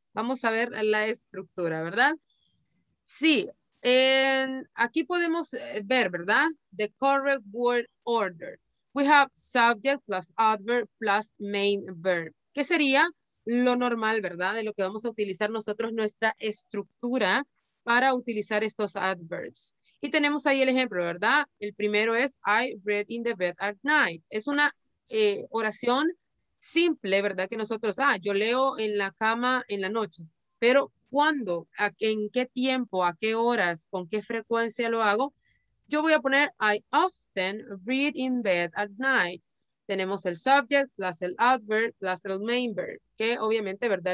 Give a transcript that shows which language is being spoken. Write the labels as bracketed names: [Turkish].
[Spanish] Vamos a ver la estructura, ¿verdad? Sí, aquí podemos ver, ¿verdad? [English] The correct word order. We have subject plus adverb plus main verb. [Spanish] ¿Qué sería? Lo normal, ¿verdad? De lo que vamos a utilizar nosotros, nuestra estructura para utilizar estos adverbs. Y tenemos ahí el ejemplo, ¿verdad? El primero es, [English] I read in the bed at night. [Spanish] Es una oración simple, ¿verdad? Que nosotros, yo leo en la cama en la noche. Pero, ¿cuándo? ¿En qué tiempo? ¿A qué horas? ¿Con qué frecuencia lo hago? Yo voy a poner, [English] I often read in bed at night. [Spanish] Tenemos el subject plus el adverb plus el main verb, que obviamente, ¿verdad?